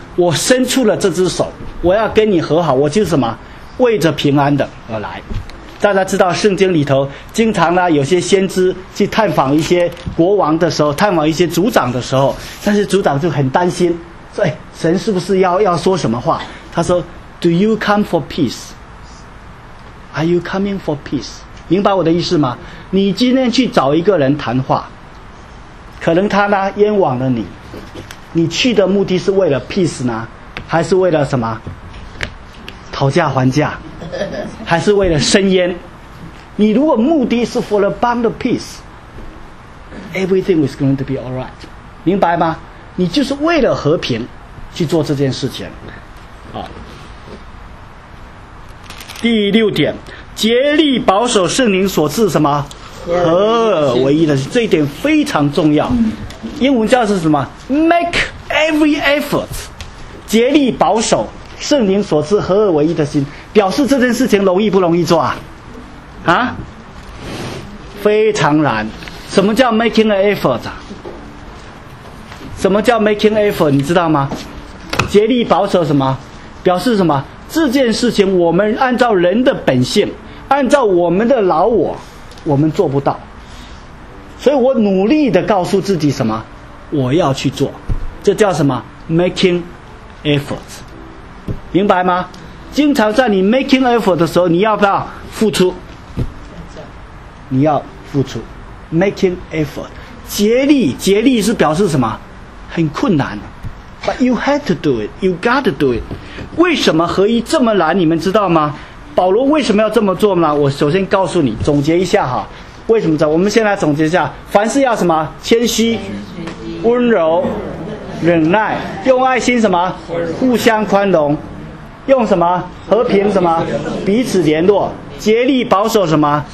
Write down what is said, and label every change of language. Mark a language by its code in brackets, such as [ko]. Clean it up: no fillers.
[zh] 我伸出了这只手，我要跟你和好，我就是什么，为着平安的而来。大家知道圣经里头经常呢，有些先知去探访一些国王的时候，探访一些族长的时候，但是族长就很担心说，哎，神是不是要说什么话。 [en] 他说 Do you come for peace? Are you coming for peace? [zh] 明白我的意思吗？你今天去找一个人谈话，可能他呢冤枉了你，你去的目的是为了 peace 呢，还是为了什么讨价还价，还是为了伸冤？你如果目的是 [en] for the bond of peace， everything is going to be alright， [zh] 明白吗？你就是为了和平去做这件事情。好，第六点，竭力保守圣灵所赐什么合而为一的，这一点非常重要。英文叫是什么？ [en] Make every effort， [zh] 竭力保守圣灵所赐合而为一的心，表示这件事情容易不容易做啊？啊？非常难。什么叫 making an effort 啊？ 什么叫 making effort？你知道吗？竭力保守什么？表示什么？这件事情我们按照人的本性，按照我们的老我，我们做不到，所以我努力地告诉自己什么，我要去做，这叫什么 ？making effort， 明白吗？经常在你 making effort 的时候，你要不要付出？你要付出 ，making effort， 竭力，竭力是表示什么？很困难 [en] ，but you had to do it， you got to do it。 [zh] 为什么合一这么难？你们知道吗？保罗为什么要这么做呢？我首先告诉你，总结一下哈，为什么这？我们先来总结一下，凡事要什么？谦虚、温柔、忍耐，用爱心什么？互相宽容，用什么？和平什么？彼此联络，竭力保守什么？